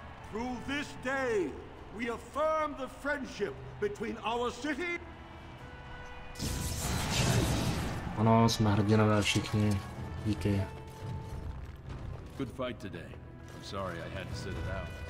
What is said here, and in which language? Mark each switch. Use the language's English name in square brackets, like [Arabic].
[English] Through this day we affirm the friendship between our city. [Czech] Ano, jsme hrdinové všichni. Díky. [English] Good fight today. I'm sorry I had to sit it out.